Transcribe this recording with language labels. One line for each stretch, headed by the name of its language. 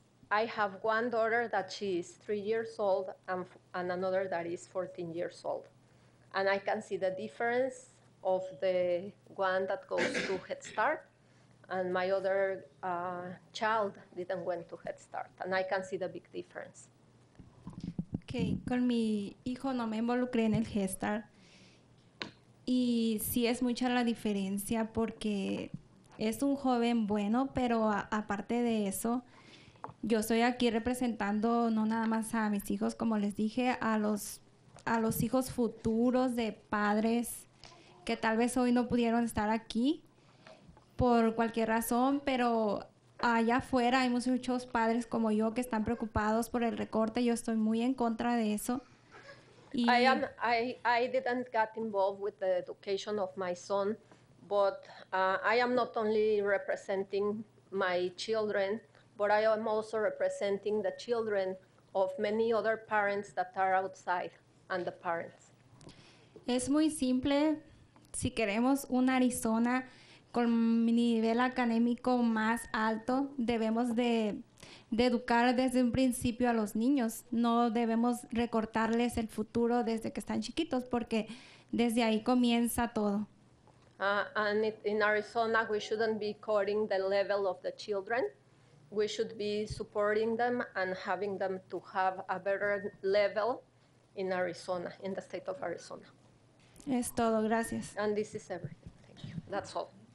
English: I have one daughter that she is 3 years old and another that is 14 years old. And I can see the difference of the one that goes to Head Start, and my other child didn't went to Head Start. And I can see the big difference.
Spanish: Okay, con mi hijo no me involucré en el Head Start. Y sí es mucha la diferencia porque es un joven bueno, pero aparte de eso, yo estoy aquí representando no nada más a mis hijos, como les dije, a los hijos futuros de padres que tal vez hoy no pudieron estar aquí por cualquier razón, pero... Allá afuera hay muchos padres como yo que están preocupados por el recorte. Yo estoy muy en contra de eso.
English: Y I didn't get involved with the education of my son, but I am not only representing my children, but I am also representing the children of many other parents that are outside and the parents.
Spanish: Es muy simple. Si queremos un Arizona con mi nivel académico más alto, debemos de educar desde un principio a los niños. No debemos recortarles el futuro desde que están chiquitos, porque desde ahí comienza todo.
English: In Arizona, we shouldn't be cutting the level of the children. We should be supporting them and having them to have a better level in Arizona, in the state of Arizona.
Spanish: Es todo, gracias.
English: And this is everything. Thank you. That's all.